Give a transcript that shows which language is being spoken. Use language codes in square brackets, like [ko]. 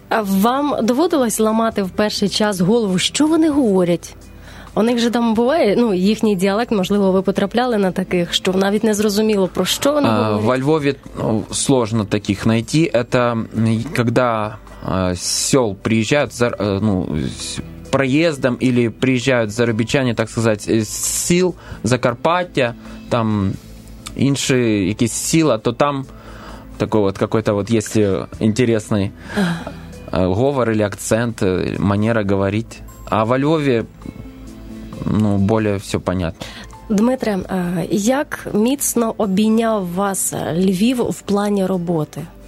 [ru] А вам доводилось ломать [uk] в перший час [ru] голову, что они говорят? [uk] У них же там буває, ну, їхній діалект, можливо, ви потрапляли на таких, що навіть не зрозуміло, про що вони говорять. [ru] Во Львові, ну, сложно таких найти. Это когда сел приезжают, ну, проездом или приезжают [uk] заробітчани, [ru] так сказать, [uk] з сіл Закарпаття, там інші якісь села, [ru] то там такой вот какой-то вот есть интересный говор или акцент, манера говорить. А во Львові, ну, более все понятно. [uk] Дмитре, як міцно обійняв вас Львів в плані роботи?